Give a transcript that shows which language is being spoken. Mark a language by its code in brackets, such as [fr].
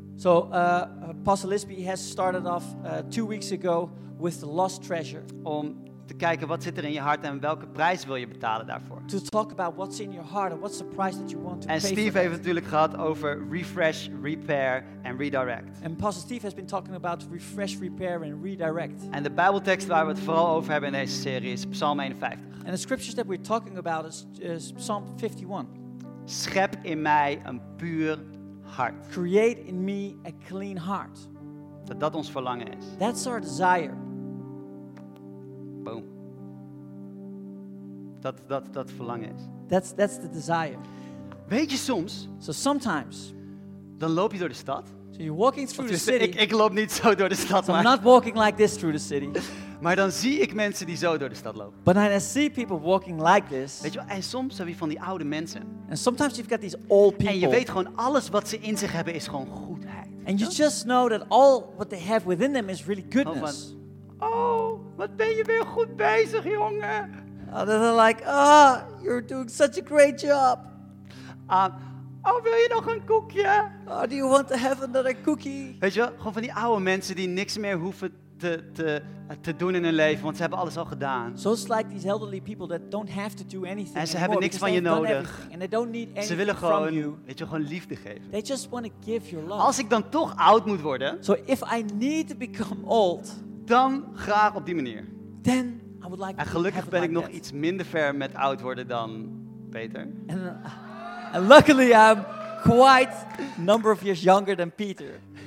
[en] So Pastor Lisby has started off 2 weeks ago with the lost treasure. [nl] Om te kijken wat zit er in je hart en welke prijs wil je betalen daarvoor. [en] To talk about what's in your heart and what's the price that you want to pay. [nl] En Steve heeft het natuurlijk gehad over [en] refresh, repair and redirect. And Pastor Steve has been talking about refresh, repair and redirect. [nl] En de Bijbeltekst waar we het vooral over hebben in deze serie is Psalm 51. [en] And the scriptures that we're talking about is Psalm 51. [nl] Schep in mij een puur hart. [en] Create in me a clean heart. [nl] Dat ons verlangen is. [en] That's our desire. Boom. [nl] Dat verlangen is. [en] That's the desire. [nl] Weet je soms? [en] So sometimes. [nl] Dan loop je door de stad. [en] So you're walking through the city. [nl] Ik loop niet zo door de stad. [en] So I'm not walking like this through the city. [nl] Maar dan zie ik mensen die zo door de stad lopen. [en] But I see people walking like this. [nl] Weet je, en soms heb je van die oude mensen. [en] And sometimes you've got these old people. [nl] En je weet gewoon alles wat ze in zich hebben is gewoon goedheid. [en] And you just know that all what they have within them is really goodness. [nl] Oh, wat ben je weer goed bezig, jongen. [en] Oh, they're like, ah, oh, you're doing such a great job. [nl] Oh, wil je nog een koekje? [en] Oh, do you want to have another cookie? [nl] Weet je wel, gewoon van die oude mensen die niks meer hoeven te doen in hun leven, want ze hebben alles al gedaan. [en] So it's like these elderly people that don't have to do anything. [nl] En ze hebben niks van je nodig. [en] And they don't need anything. [nl] Ze willen gewoon, weet je, gewoon liefde geven. [en] They just want to give your love. [nl] Als ik dan toch oud moet worden, [en] so if I need to become old, [nl] dan graag op die manier. [en] Then I would like [nl] en gelukkig [en] to have [nl] ben [en] like [nl] ik nog [en] that. [nl] Iets minder ver met oud worden dan Peter. [en] And luckily I'm quite a number of years younger than Peter.